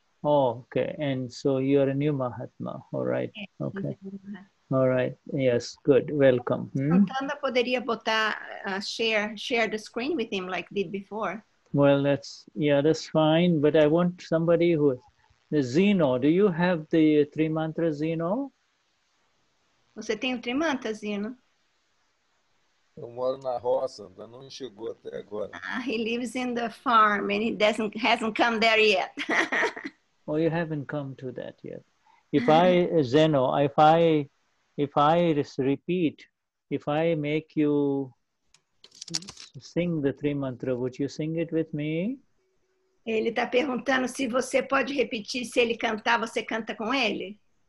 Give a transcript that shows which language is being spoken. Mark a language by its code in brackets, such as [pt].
[en] Oh, okay. And so you are a new Mahatma. All right. Okay. All right. Yes, good. Welcome. [pt] Santana poderia botar [en] share the screen with him like did before. Well, that's fine, but I want somebody who Zeno, do you have the Trimantra, Zeno? [pt] Você tem o Trimantra, Zeno? Eu moro na roça, ainda não chegou até agora. [en] He lives in the farm and he hasn't come there yet. Oh, you haven't come to that yet. If I, Zeno, if I make you sing the Trimantra, would you sing it with me? [pt] Ele está perguntando se você pode repetir, se ele cantar, você canta com ele?